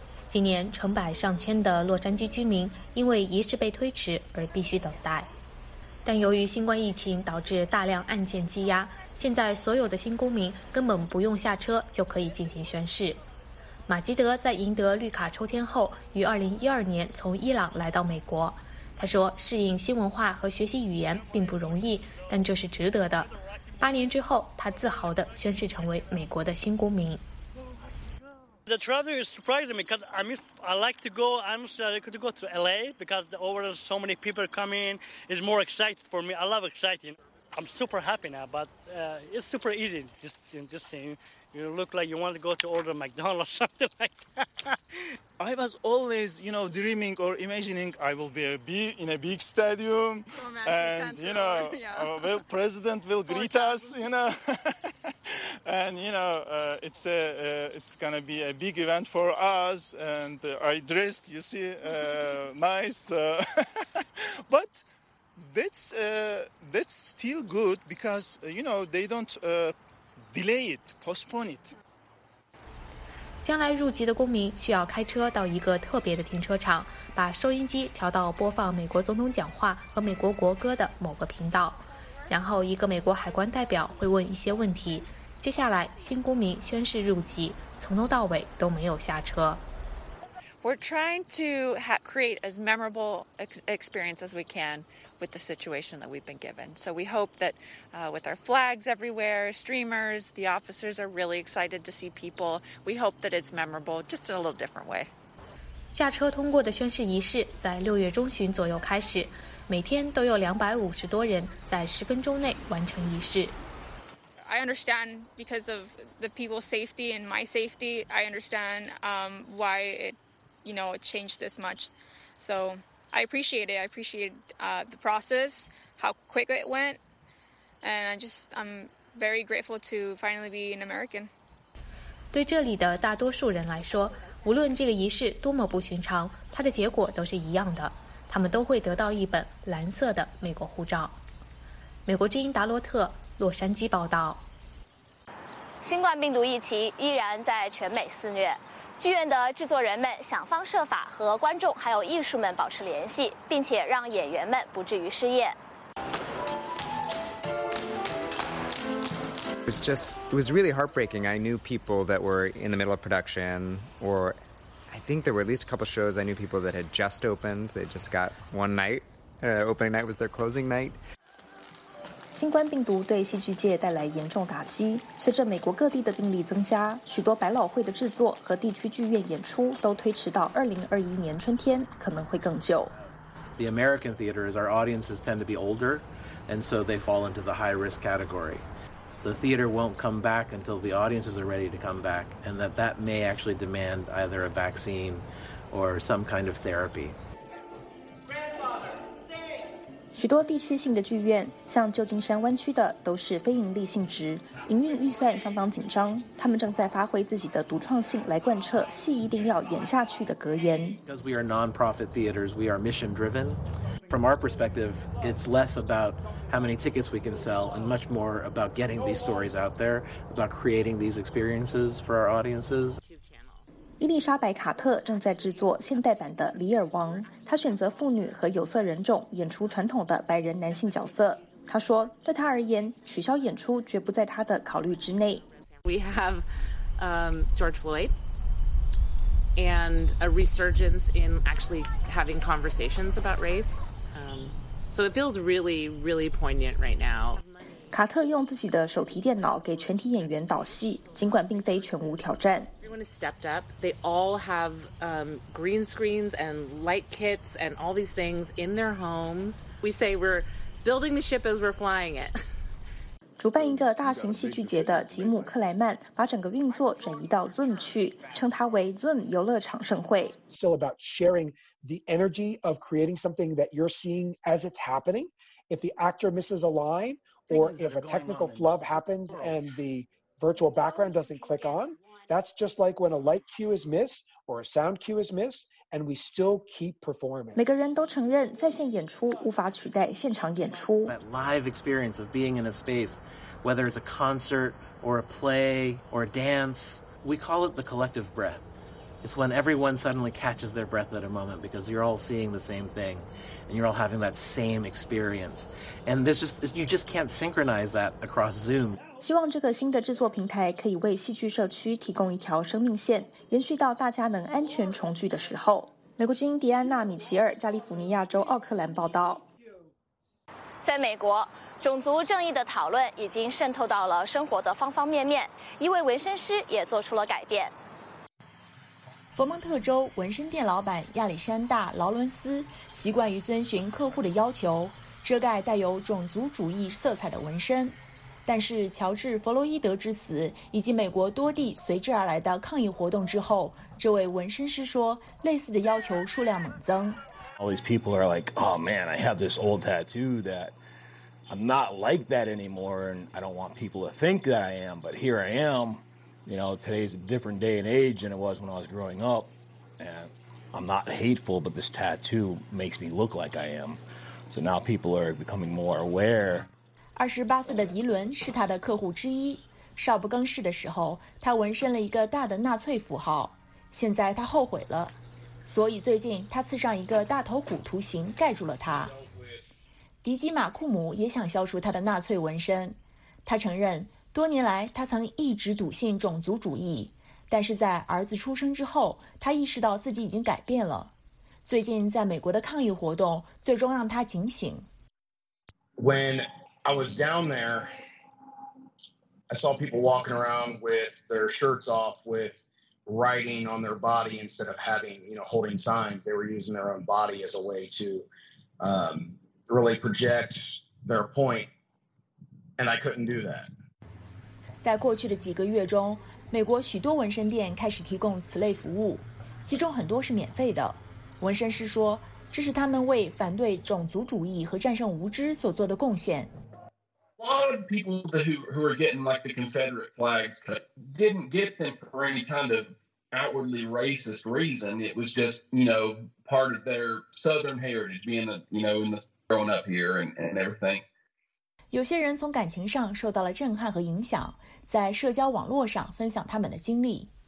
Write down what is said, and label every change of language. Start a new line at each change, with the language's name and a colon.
Chinese: 今年成百上千的洛杉矶居民因为仪式被推迟而必须等待，但由于新冠疫情导致大量案件积压，现在所有的新公民根本不用下车就可以进行宣誓。马吉德在赢得绿卡抽签后，于2012年从伊朗来到美国。他说，适应新文化和学习语言并不容易，但这是值得的。 8年之后，他自豪地宣誓成为美国的新公民。
English: The travel is surprising because I like to go. I'm like to go to LA because the over so many people coming is more exciting for me. I love exciting. I'm super happy now, but it's super easy. Just seeing you look like you want to go to order McDonald's something like that. I was always, you know, dreaming or imagining I will be in a big stadium, oh, man, and you know, yeah. Well, president will greet us, you know. And, you know, it's going to be a big event for us. And I dressed, you see, nice. But that's still good because, you know, they don't delay it, postpone it.
Chinese: 将来入籍的公民需要开车到一个特别的停车场，把收音机调到播放美国总统讲话和美国国歌的某个频道。然后一个美国海关代表会问一些问题。接下来，新公民宣誓入籍，从头到尾都没有下车。
English: We're trying to create as memorable experience as we can with the situation that we've been given. So we hope that with our flags everywhere, streamers, the officers are really excited to see people. We hope that it's memorable, just in a little different way.
Chinese: 驾车通过的宣誓仪式在6月中旬左右开始，每天都有250多人在10分钟内完成仪式。
English: I understand because of the people's safety and my safety, I understand why it, you know, it changed this much. So I appreciate it. I appreciate the process, how quick it went. And I'm very grateful to finally be an American.
Chinese: 对这里的大多数人来说，无论这个仪式多么不寻常，它的结果都是一样的。他们都会得到一本蓝色的美国护照。美国之音达洛特，洛杉矶报道。新冠病毒疫情依然在全美肆虐，剧院的制作人们想方设法和观众还有艺术们保持联系，并且让演员们不至于失业。
English: It was really heartbreaking. I knew people that were in the middle of production, or I think there were at least a couple shows I knew people that had just opened. They just got one night. Opening night was their closing night.
Chinese: 新冠病毒对戏剧界带来严重打击，随着美国各地的病例增加，许多百老汇的制作和地区剧院演出都推迟到2021年春天，可能会更久。
English: The American theaters, our audiences tend to be older, and so they fall into the high risk category. The theater won't come back until the audiences are ready to come back, and that may actually demand either a vaccine or some kind of therapy.
Chinese: 许多地区性的剧院，像旧金山湾区的，都是非盈利性质，营运预算相当紧张。他们正在发挥自己的独创性来贯彻“戏一定要演下去”的格言。
English: Because we are non-profit theaters, we are mission-driven. From our perspective, it's less about how many tickets we can sell, and much more about getting these stories out there, about creating these experiences for our audiences.
Chinese: 伊丽莎白·卡特正在制作现代版的《李尔王》，她选择妇女和有色人种演出传统的白人男性角色。她说，对她而言，取消演出绝不在她的考虑之内。
English: We have George Floyd and a resurgence in actually having conversations about race. So it feels really, really poignant right now.
Chinese: 卡特用自己的手提电脑给全体演员导戏，尽管并非全无挑战。
English: Everyone has stepped up. They all have green screens and light kits and all these things in their homes. We say we're building the ship as we're flying it.
Chinese: 主办一个大型戏剧节的吉姆·克莱曼把整个运作转移到 Zoom 去，称它为 Zoom 游乐场盛会。
English: It's still about sharing the energy of creating something that you're seeing as it's happening. If the actor misses a line. Or if a technical flub happens and the virtual background doesn't click on, that's just like when a light cue is missed or a sound cue is missed, and we still keep performing.
Chinese: 每个人都承认在线演出无法取代现场演出。
English: That live experience of being in a space, whether it's a concert or a play or a dance, we call it the collective breath. It's when everyone suddenly catches their breath at a moment because you're all seeing the same thing and you're all having that same experience. And there's just, you just can't synchronize that across Zoom.
Chinese: 希望这个新的制作平台可以为戏剧社区提供一条生命线，延续到大家能安全重聚的时候。美国之音迪安娜·米奇尔，加利福尼亚州奥克兰报道。在美国，种族正义的讨论已经渗透到了生活的方方面面，一位纹身师也做出了改变。佛蒙特州纹身店老板亚历山大·劳伦斯习惯于遵循客户的要求，遮盖带有种族主义色彩的纹身。但是乔治·弗洛伊德之死以及美国多地随之而来的抗议活动之后，这位纹身师说，类似的要求数量猛增。
English: All these people are like, oh man, I have this old tattoo that I'm not like that anymore, and I don't want people to think that I am, but here I am. You know, today's a different day and age than it was when I was growing up, and I'm not hateful, but this tattoo makes me look like I am. So now people are becoming more aware.
Chinese: 二十八岁的迪伦是他的客户之一。少不更事的时候，他纹身了一个大的纳粹符号。现在他后悔了，所以最近他刺上一个大头骨图形盖住了他。迪基马库姆也想消除他的纳粹纹身。他承认，多年来他曾一直笃信种族主义，但是在儿子出生之后，他意识到自己已经改变了。最近在美国的抗议活动，最终让他警醒。
English: When I was down there, I saw people walking around with their shirts off, with writing on their body instead of having, you know, holding signs. They were using their own body as a way to really project their point, and I couldn't do that.
Chinese: 在过去的几个月中，美国许多纹身店开始提供此类服务，其中很多是免费的。纹身师说，这是他们为反对种族主义和战胜无知所做的贡献。
English: A lot of people who are getting like the Confederate flags cut didn't get them for any kind of outwardly racist reason. It was just, you know, part of their Southern heritage, being, you know, in the growing up here and everything.
Chinese: 有些人从感情上受到了震撼和影响，在社交网络上分享他们的经历。